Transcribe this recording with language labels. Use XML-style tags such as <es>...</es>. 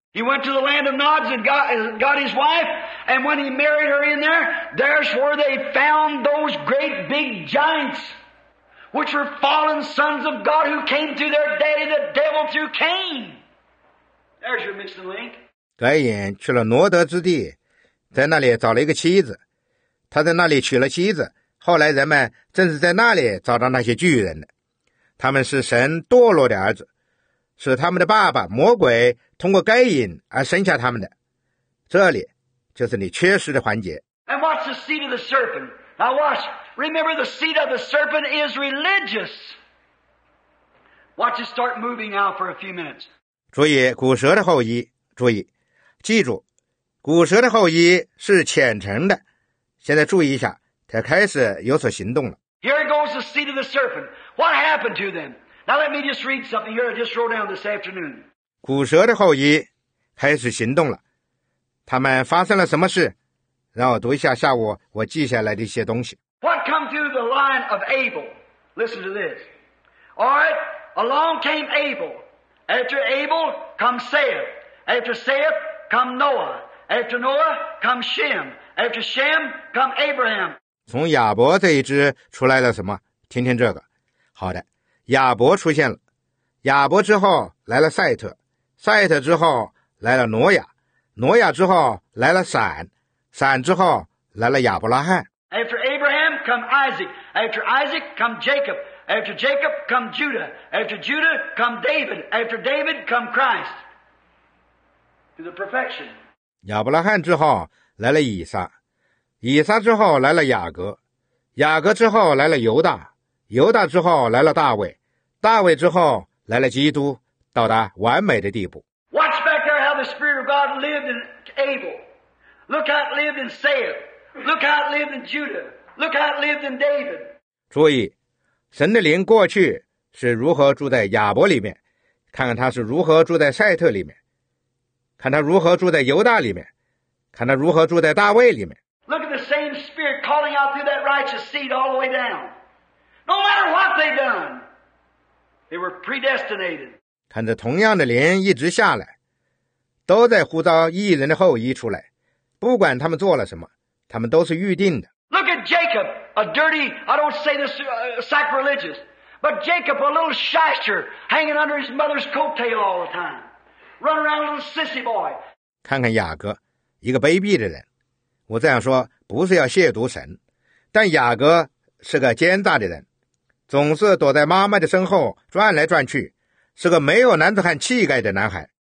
<en>He went to the land of Nod and got his wife, and when he married her in there, there's where they found those great big giants, which were fallen sons of God who came through their daddy, the devil, through Cain. There's your missing link.</en> <zh>该隐去了挪德之地，在那里找了一个妻子，他在那里娶了妻子，后来人们正是在那里找到那些巨人的，他们是神堕落的儿子。是他们的爸爸魔鬼通过该隐而生下他们的，这里就是你缺失的环节。</zh> <en>And watch the seed of the serpent. Now watch. Remember, the seed of the serpent is religious. Watch it start moving out for a few minutes.</en> <zh>注意骨蛇的后裔，注意，记住，骨蛇的后裔是虔诚的。现在注意一下，他开始有所行动了。</zh> <en>Here goes the seed of the serpent. What happened to them? Now let me just read something here. I just wrote down this afternoon.</en> <zh>骨蛇的后裔开始行动了。他们发生了什么事？让我读一下下午我记下来的一些东西。</zh> <en>What come through the line of Abel? Listen to this. All right, along came Abel. After Abel come Seth. After Seth come Noah. After Noah come Shem. After Shem come Abraham.</en> <zh>从亚伯这一支出来了什么？听听这个。好的。亚伯出现了，亚伯之后来了赛特，赛特之后来了挪亚，挪亚之后来了闪，闪之后来了亚伯拉罕。</zh> <en>After Abraham come Isaac, after Isaac come Jacob, after Jacob come Judah, after Judah come David, after David come Christ. To the perfection.</en> <zh>亚伯拉罕之后来了以撒，以撒之后来了雅各，雅各之后来了犹大。犹大之后来了大卫，大卫之后来了基督，到达完美的地步。</zh> <en>Watch back there how the Spirit of God lived in Abel. Look how it lived in Seth. Look how it lived in Judah. Look how it lived in David.</en> <zh>注意，神的灵过去是如何住在亚伯里面，看看他是如何住在赛特里面，看他如何住在犹大里面，看他如何住在大卫里面。</zh> <en>Look at the same Spirit calling out through that righteous seed all the way down. No matter what they done, they were predestinated.</en> <zh>看着同样的灵一直下来，都在呼召义人的后裔出来，不管他们做了什么，他们都是预定的。</zh> <en>Look at Jacob, a dirty, I don't say this, sacrilegious, but Jacob, a little shyster, hanging under his mother's coattail all the time, running around a little sissy boy.</en> <zh>看看雅各，一个卑鄙的人。我这样说不是要亵渎神，但雅各。是个奸诈的人，总是躲在妈妈的身后转来转去，是个没有男子汉气概的男孩。</zh>